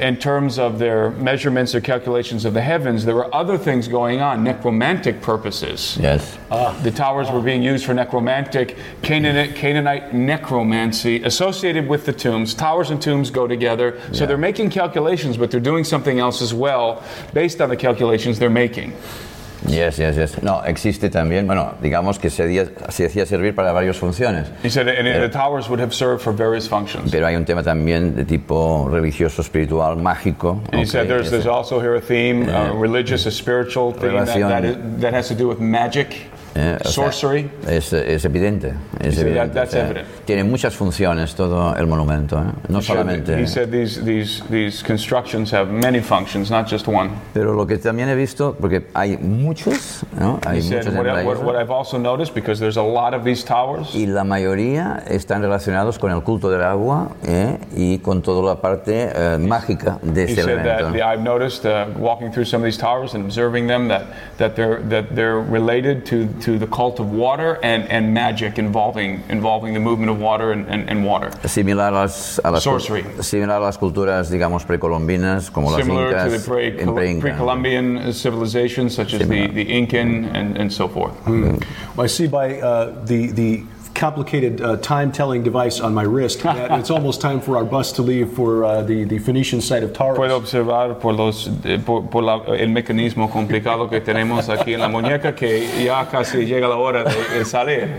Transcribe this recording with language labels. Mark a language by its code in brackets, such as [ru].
[en] In terms of their measurements or calculations of the heavens, there were other things going on, necromantic purposes. Yes. The towers were being used for necromantic, Canaanite necromancy associated with the tombs. Towers and tombs go together. So yeah. They're making calculations, but they're doing something else as well based on the calculations they're making. Yes, yes, yes. [es] No, existe también, bueno, digamos que se hacía servir para varias funciones. [en] He said the towers would have served for various functions. [es] Pero hay un tema también de tipo religioso, espiritual, mágico. [en] And he said there's also here a theme, a religious, a spiritual theme that has to do with magic. Sorcery. [es] Es evidente. [en] That's evident. [es] Tiene muchas funciones todo el monumento, ¿eh? No solamente. [en] He said these constructions have many functions, not just one. [es] Pero lo que también he visto, porque hay muchos, ¿no? [en] What I've also noticed, because there's a lot of these towers. [es] Y la mayoría están relacionados con el culto del agua, y con toda la parte mágica de ese elemento. [en] I've noticed walking through some of these towers and observing them that they're related to the cult of water and magic involving the movement of water and water. Sorcery. [es] Similar a las culturas, digamos, precolombinas, como las Incas. [en] Similar to the pre-Columbian civilizations, such as the Incan and so forth. Mm. Well, I see by the complicated time-telling device on my wrist that it's almost time for our bus to leave for the Phoenician site of Taurus. [es] Puedo observar por el mecanismo complicado que tenemos aquí en la muñeca que ya casi llega la hora de salir.